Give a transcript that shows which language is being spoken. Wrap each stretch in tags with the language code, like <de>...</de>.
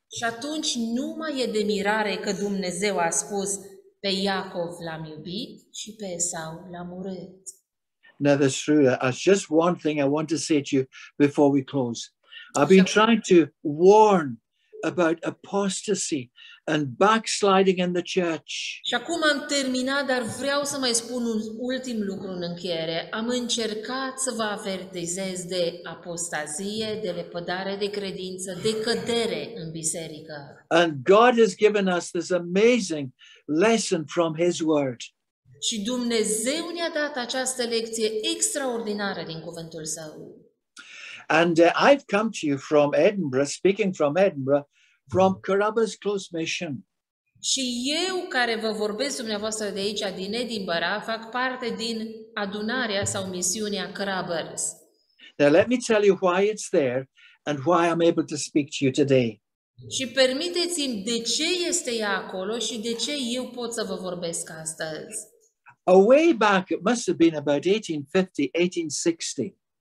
<ro>Și atunci nu mai e de mirare că Dumnezeu a spus, pe Iacov l-am iubit și pe Esau l-am urât.</ro> <en>Now that's true. That's just one thing I want to say to you before we close. I've been trying to warn about apostasy and backsliding in the church.</en> <ro>Și acum am terminat, dar vreau să mai spun un ultim lucru în încheiere. Am încercat să vă avertizez de apostazie, de lepădare de credință, de cădere în biserică.</ro> <en>And God has given us this amazing lesson from His Word.</en> <ro>Și Dumnezeu ne-a dat această lecție extraordinară din cuvântul Său.</ro> <en>And I've come to you from Edinburgh, speaking from Edinburgh, from Carrabba's Close Mission.</en> <ro>Și eu care vă vorbesc dumneavoastră de aici, din Edinburgh, fac parte din adunarea sau misiunea Carrabba's.</ro> <en>Now let me tell you why it's there and why I'm able to speak to you today.</en> <ro>Și permiteți-mi de ce este ea acolo și de ce eu pot să vă vorbesc astăzi.</ro> <en>A way back, it must have been about 1850, 1860.</en>